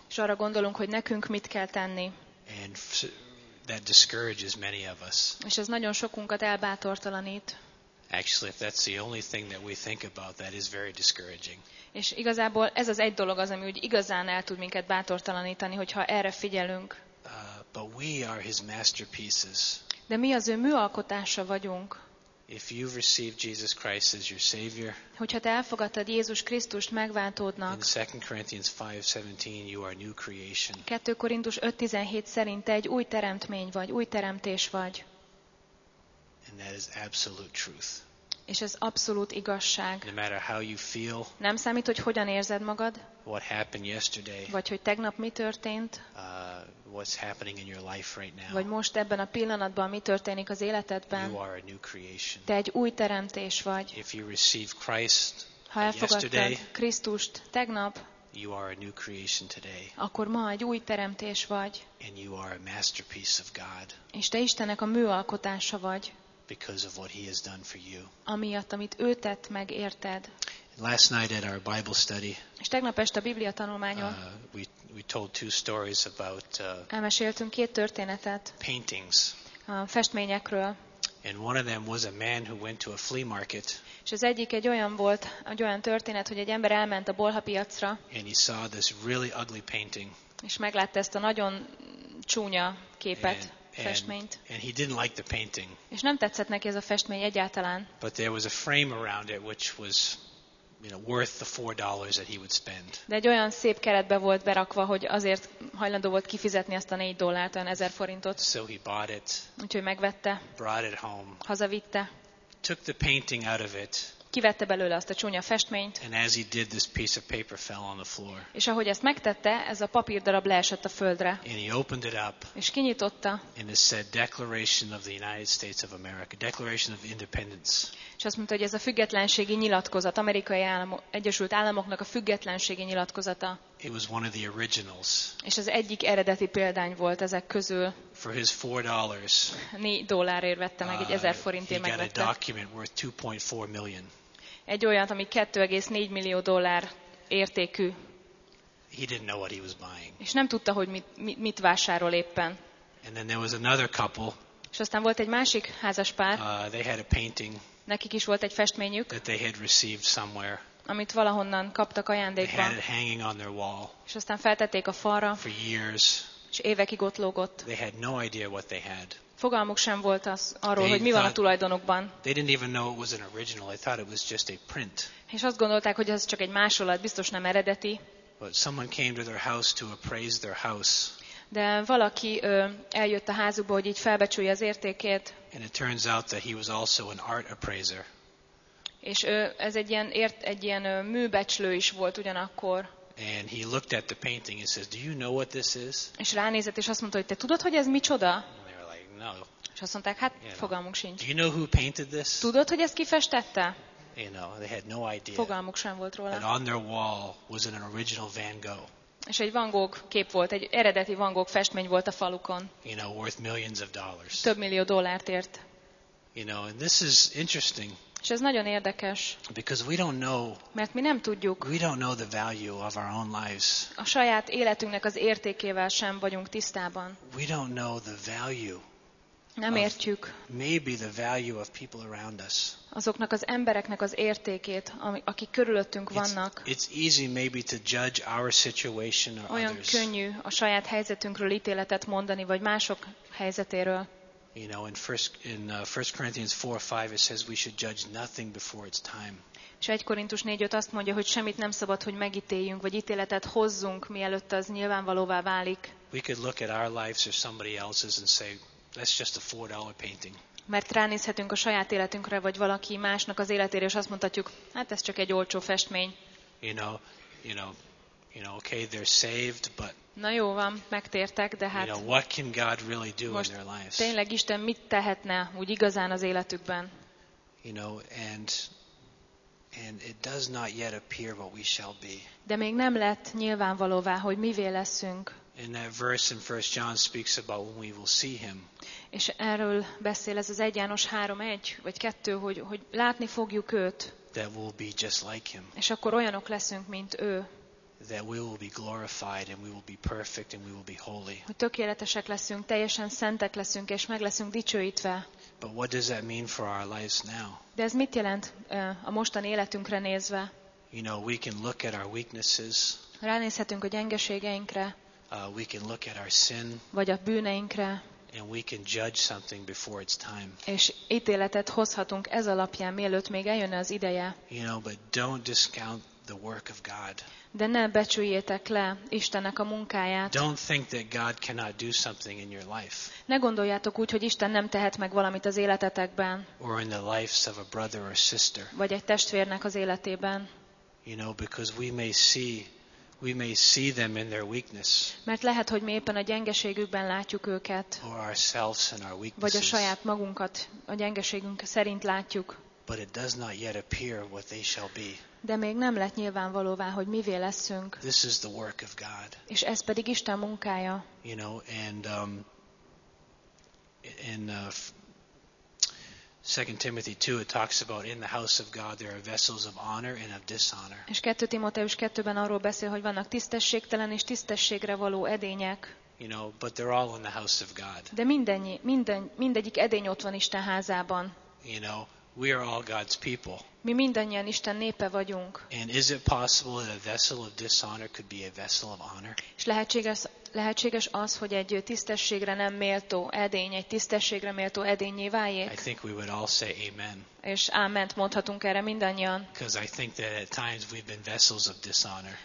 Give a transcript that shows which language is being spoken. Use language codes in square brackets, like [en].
[hu] És arra gondolunk, hogy nekünk mit kell tenni. [en] And that discourages many of us. [hu] És ez nagyon sokunkat elbátortalanít. [en] Actually, if that's the only thing that we think about, that is very discouraging. [hu] És igazából ez az egy dolog az, ami úgy igazán el tud minket bátortalanítani, hogyha erre figyelünk. [en] But we are his masterpieces. [hu] De mi az ő műalkotása vagyunk. [en] If you've received Jesus Christ as your savior, [hu] hogyha te elfogadtad Jézus Krisztust megváltódnak, [en] in 2 Corinthians 5:17 you are a new creation. [hu] 2 Korintus 5:17 szerint te egy új teremtmény vagy, új teremtés vagy. [en] And that is absolute truth. [hu] És ez abszolút igazság. [en] No matter how you feel, [hu] nem számít, hogy hogyan érzed magad, [en] what happened yesterday, [hu] vagy hogy tegnap mi történt, [en] what's happening in your life right now, [hu] vagy most ebben a pillanatban mi történik az életedben, [en] you are a new creation. [hu] Te egy új teremtés vagy. [en] If you receive Christ, [hu] ha elfogadtad Krisztust tegnap, [en] you are a new creation today. [hu] Akkor ma egy új teremtés vagy. [en] And you are a masterpiece of God. [hu] És te Istennek a műalkotása vagy. [en] Because of what he has done for you. [hu] Amiatt, amit ő tett meg érted. [en] Last night at our Bible study. [hu] És tegnap este a Biblia tanulmányon. [en] We told two stories about. [hu] Elmeséltünk két történetet. [en] Paintings. [hu] A festményekről. [en] And one of them was a man who went to a flea market. [hu] És az egyik egy olyan volt, egy olyan történet, hogy egy ember elment a bolhapiacra. [en] And he saw this really ugly painting. [hu] És meglátta ezt a nagyon csúnya képet. Festményt. [en] And he didn't like the painting. [hu] És nem tetszett neki ez a festmény egyáltalán. [en] But there was a frame around it which was, you know, worth the $4 that he would spend. [hu] De egy olyan szép keretbe volt berakva, hogy azért hajlandó volt kifizetni azt a $4, olyan 1000 forintot. [en] So he bought it. [hu] Úgyhogy megvette. [en] Brought it home. [hu] Hazavitte. [en] Took the painting out of it. [hu] Kivette belőle azt a csúnya festményt. [en] And as he did, this piece of paper fell on the floor. [hu] És ahogy ezt megtette, ez a papírdarab leesett a földre. [en] And he opened it up. [hu] És kinyitotta. [en] And it said Declaration of the United States of America, Declaration of Independence. [hu] És azt mondta, hogy ez a függetlenségi nyilatkozat, Amerikai Egyesült Államoknak a függetlenségi nyilatkozata. [en] It was one of the originals. [hu] És az egyik eredeti példány volt ezek közül. [en] For his $4. [hu] $4 vette meg, egy 1000 forintért megvette. [en] He got a document worth 2.4 million. [hu] Egy olyat, ami 2,4 millió dollár értékű. [en] He didn't know what he was buying. [hu] És nem tudta, hogy mit vásárol éppen. [en] And then there was another couple. [hu] És aztán volt egy másik házaspár. [en] They had a painting. [hu] Nekik is volt egy festményük. [en] That they had received somewhere. [hu] Amit valahonnan kaptak ajándékba. [en] They had it hanging on their wall. [hu] És aztán feltették a falra. [en] For years. [hu] És évekig ott lógott. [en] They had no idea what they had. [hu] Fogalmuk sem volt az arról, hogy mi van a tulajdonukban. [en] They didn't even know it was an original. They thought it was just a print. [hu] És azt gondolták, hogy ez csak egy másolat, biztos nem eredeti. [en] But someone came to their house to appraise their house. [hu] De valaki eljött a házukba, hogy így felbecsülje az értékét. [en] And it turns out that he was also an art appraiser. [hu] És ez egy ilyen műbecslő is volt ugyanakkor. [en] And he looked at the painting and says, "Do you know what this is?" [hu] És ránézett és azt mondta, hogy te tudod, hogy ez micsoda? [en] And they were like, "No." [hu] És azt mondták, hát fogalmunk sincs. [en] "Do you know who painted this?" [hu] Tudod, hogy ezt kifestette? [en] You know, they had no idea. [hu] Fogalmuk sem volt róla. [en] And on their wall was an original Van Gogh. [hu] És egy Van Gogh kép volt, egy eredeti Van Gogh festmény volt a falukon. [en] You know, worth millions of dollars. [hu] Több millió dollárt ért. [en] You know, and this is interesting. [hu] És ez nagyon érdekes. [en] Because we don't know. [hu] Mert mi nem tudjuk. [en] We don't know the value of our own lives. [hu] A saját életünknek az értékével sem vagyunk tisztában. [en] We don't know the value. [hu] Nem értjük. [en] Maybe the value of people around us. [hu] Azoknak az embereknek az értékét, akik körülöttünk vannak. [en] It's easy maybe to judge our situation or others. [hu] Olyan könnyű a saját helyzetünkről ítéletet mondani vagy mások helyzetéről. [en] You know, in first Corinthians 4:5 it says we should judge nothing before its time. [hu] És 1 Korintus 4:5 azt mondja, hogy semmit nem szabad, hogy megítéljünk vagy ítéletet hozzunk, mielőtt az nyilvánvalóvá válik. [en] We could look at our lives or somebody else's and say that's just a $4 painting. [hu] Mert ránézhetünk a saját életünkre vagy valaki másnak az életére és azt mondhatjuk, hát ez csak egy olcsó festmény. [en] You know, okay, they're saved, but [hu] na jó van, megtértek, de hát [en] you know, what can God really do in their lives? [hu] Tényleg Isten mit tehetne úgy igazán az életükben? [en] You know, and it does not yet appear what we shall be. [hu] De még nem lett nyilvánvalóvá, hogy mivé leszünk. [en] And that verse in 1 John speaks about when we will see him. [hu] És erről beszél ez az 1 János 3:1 vagy 2, hogy látni fogjuk őt. [en] That we'll be just like him. [hu] És akkor olyanok leszünk mint ő. [en] That we will be glorified and we will be perfect and we will be holy. [hu] Hogy tökéletesek leszünk, teljesen szentek leszünk és meg leszünk dicsőítve. [en] But what does that mean for our lives now? [hu] De ez mit jelent a mostani életünkre nézve? [en] You know, we can look at our weaknesses. [hu] Ránézhetünk a gyengeségeinkre. [en] We can look at our sin. [hu] Vagy a bűneinkre. [en] And we can judge something before its time. [hu] És ítéletet hozhatunk ez alapján, mielőtt még eljönne az ideje. [en] You know, but don't discount the work of God. [hu] De ne becsüljétek le Istennek a munkáját. [en] Don't think that God cannot do something in your life. [hu] Ne gondoljátok úgy, hogy Isten nem tehet meg valamit az életetekben. [en] Or in the lives of a brother or sister. [hu] Vagy egy testvérnek az életében. [en] You know, because we may see them in their weakness. [hu] Mert lehet, hogy mi éppen a gyengeségükben látjuk őket. [en] Or ourselves and our weaknesses. [hu] Vagy a saját magunkat a gyengeségünk szerint látjuk. [en] But it does not yet appear what they shall be. [hu] De még nem lett nyilvánvalóvá, hogy mivé leszünk. [en] This is the work of God. [hu] És ez pedig Isten munkája. [en] You know, and in 2 Timothy 2 it talks about in the house of God there are vessels of honor and of dishonor. [hu] És 2 Timóteus 2-ben arról beszél, hogy vannak tisztességtelen és tisztességre való edények. [en] You know, but they're all in the house of God. [hu] De mindegyik edény ott van Isten házában. [en] You know, we are all God's people. [hu] Mi mindannyian Isten népe vagyunk. [en] And is it possible that a vessel of dishonor could be a vessel of honor? [hu] És lehetséges az, hogy egy tisztességre nem méltó edény, egy tisztességre méltó edényé váljék? [en] I think we would all say amen. [hu] És áment mondhatunk erre mindannyian. [en] Because I think that at times we've been vessels of dishonor.